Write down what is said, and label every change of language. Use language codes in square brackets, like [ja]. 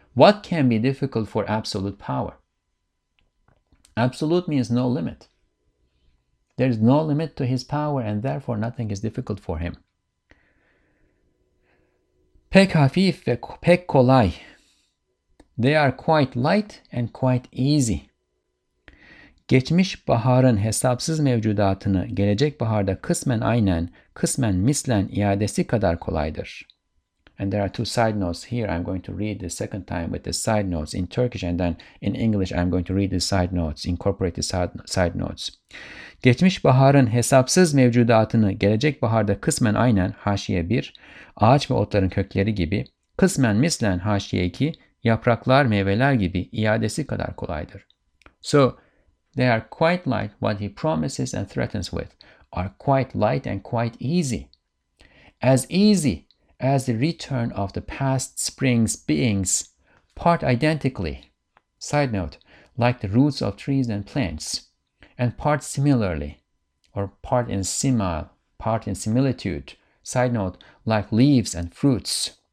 [en] What can be difficult for absolute power? Absolute means no limit. There is no limit to his power, and therefore nothing is difficult for him. [tr] Pek hafif ve pek kolay. [en] They are quite light and quite easy. [tr] Geçmiş baharın hesapsız mevcudatını gelecek baharda kısmen aynen, kısmen mislen iadesi kadar kolaydır. [en] And there are two side notes here. I'm going to read the second time with the side notes in Turkish, and then in English I'm going to read the side notes, incorporate the side notes. [tr] Geçmiş baharın hesapsız mevcudatını gelecek baharda kısmen aynen, haşiye 1, ağaç ve otların kökleri gibi, kısmen mislen, haşiye 2, yapraklar, meyveler gibi iadesi kadar kolaydır. [en] So they are quite light, what he promises and threatens with are quite light and quite easy. As easy as the return of the past spring's beings, part identically, side note, like the roots of trees and plants, and part similarly, or part in simile, part in similitude, side note, like leaves and fruits.